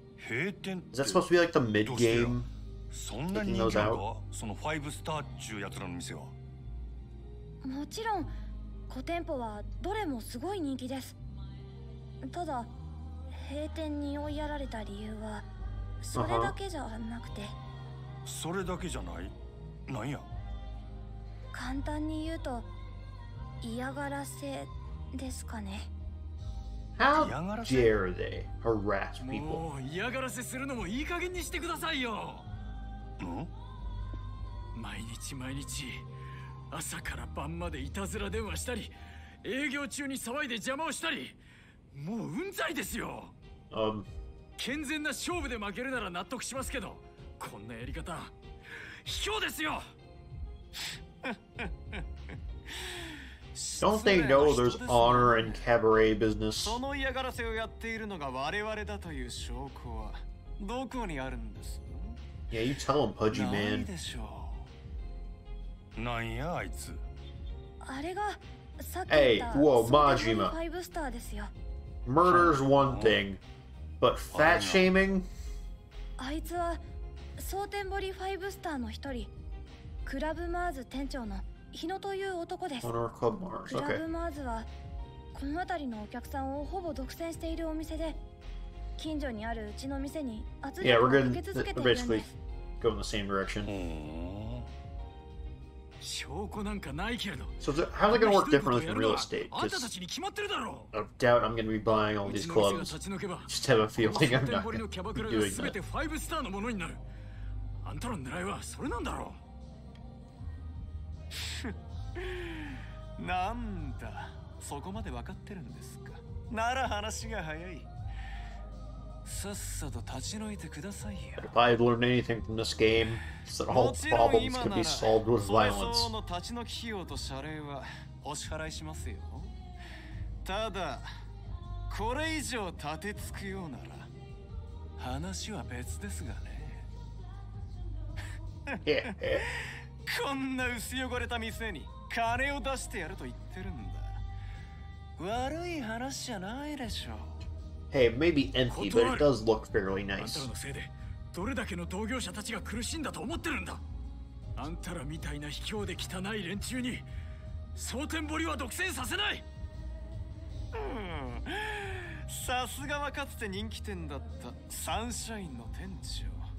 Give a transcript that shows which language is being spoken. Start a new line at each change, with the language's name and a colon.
English: Is that supposed to be like the mid game?
Japanese: そんな人気が、その5スター中やつらの店は。もちろん、古店舗はどれもすごい人気です。ただ、閉店に追いやられた理由は、それだけじゃなくて。それだけじゃない?何や?簡単に言うと、嫌がらせですかね。
English: How dare they harass people?
Japanese: もう嫌がらせするのもいい加減にしてくださいよ。毎日毎日朝から晩までいたずら電話したり営業中に騒いで邪魔をしたりもううんざりですよ。健全な勝負で負けるなら納得しますけどこんなやり方卑怯ですよ。
English: Don't they know there's honor in cabaret business?
Japanese: その嫌がらせをやっているのが我々だという証拠はどこにあるんです。
English: Yeah, you tell him, Pudgy man.
Japanese: ないでしょう。なんやあいつ。あれがさっき言った。
English: Hey, whoa, Majima.
Japanese: ファイブスターですよ。
English: Murder's one thing, but fat shaming?
Japanese: あいつは蒼天堀ファイブスターの一人、クラブマーズ店長の日野という男です。クラブマーズはこの辺りのお客さんをほぼ独占しているお店で、近所にあるうちの店に圧力をかけ続けているんです。
English: We're basically going the same direction.
Japanese: 証拠なんかないけれど。
English: So how's it going to work differently from real estate? Just, I doubt I'm going to be buying all these clubs. Just have a feeling I'm not going to be doing that.
Japanese: 5 star のものになる。あんたの狙いはそれなんだろう。なんだ、そこまで分かってるんですか。なら話が早い。さっさと立ち退いてくださいよ。
English: If I've learned anything from this game, it's that all problems can be solved with violence.
Japanese: 早々の立ち退き費用と謝礼はお支払いしますよ。ただ、これ以上立てつくようなら、話は別ですがね。こんな薄汚れた店に金を出してやると言ってるんだ。悪い話じゃないでしょう。
English: Hey, maybe empty, but it does look fairly nice.
Japanese: あんたのせいでどれだけの同業者たちが苦しんだと思ってるんだ。あんたらみたいな卑怯で汚い連中に蒼天堀は独占させない。さすがはかつて人気店だったサンシャインの店長。